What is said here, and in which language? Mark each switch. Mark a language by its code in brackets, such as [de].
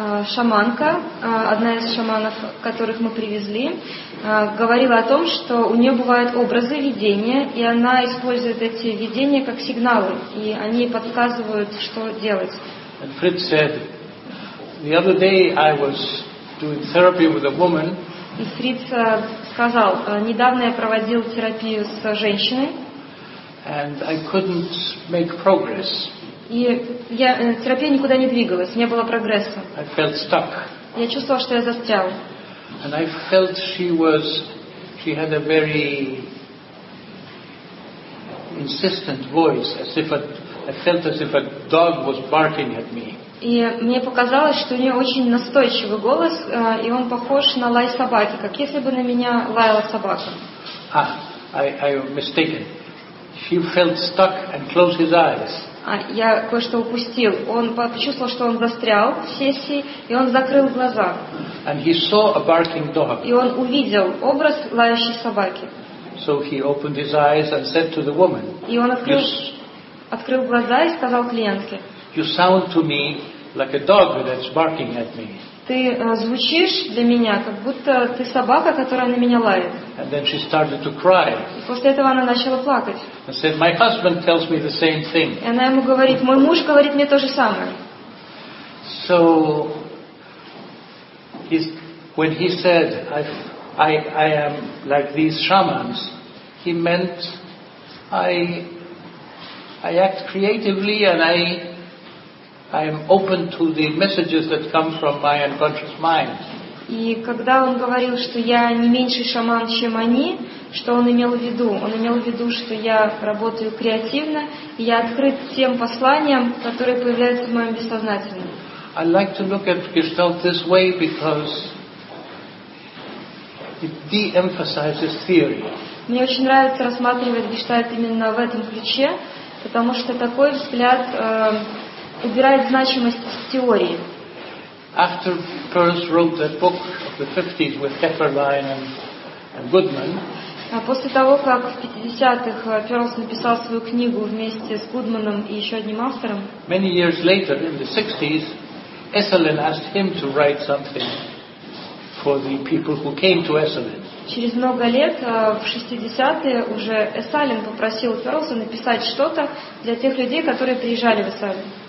[ru] Шаманка, одна из шаманов, которых мы привезли, говорила о том, что у нее бывают образы видения, и она использует эти видения как сигналы, и они подсказывают, что делать. [en] And Fritz said, the other day I was doing therapy with a woman. [ru] И Фриц сказал, недавно я проводил терапию с женщиной. [en] And I couldn't make progress. [ru] И я терапия никуда не двигалась, не было прогресса. [en] I felt stuck. [ru] Я чувствовал, что я застрял. [en] And I felt she had a very insistent voice, as if I felt as if a dog was barking at me. [ru] И мне показалось, что у нее очень настойчивый голос, и он похож на лай собаки, как если бы на меня лаяла собака. [en] I'm mistaken. She felt stuck and closed his eyes. [ru] Я кое-что упустил. Он почувствовал, что он застрял в сессии, и он закрыл глаза. [en] And he saw a barking dog. [ru] И он увидел образ лающей собаки. [en] So he opened his eyes and said to the woman. [ru] И он открыл глаза и сказал клиентке. [en] You sound to me like a dog that's barking at me. [ru] Ты звучишь для меня, как будто ты собака, которая на меня лает. [en] And then she started to cry. [ru] И после этого она начала плакать. [en] And said, my husband tells me the same thing. [ru] И она ему говорит, мой муж говорит мне то же самое. [en] So, when he said, I am like these shamans, he meant, I act creatively and I am open to the messages that come from my unconscious mind. [ru] И когда он говорил, что я не меньший шаман, чем они, что он имел в виду? Он имел в виду, что я работаю креативно, и я открыт тем посланиям, которые появляются в моем бессознательном. [en] I like to look at Gestalt this way because it de-emphasizes theory. [ru] Мне очень нравится рассматривать Гештальт именно в этом ключе, потому что такой взгляд убирает значимость в теории. [en] After Peirce wrote that book of the 50s with Hepperlein and Goodman. [ru] После того, как в 50-х Peirce написал свою книгу вместе с Гудманом и еще одним автором. [en] Many years later, in the 60s, Esalen asked him to write something for the people who came to Esalen. [ru] Через много лет, в 60-е, уже Эссалин попросил Перлса написать что-то для тех людей, которые приезжали в Эссалин.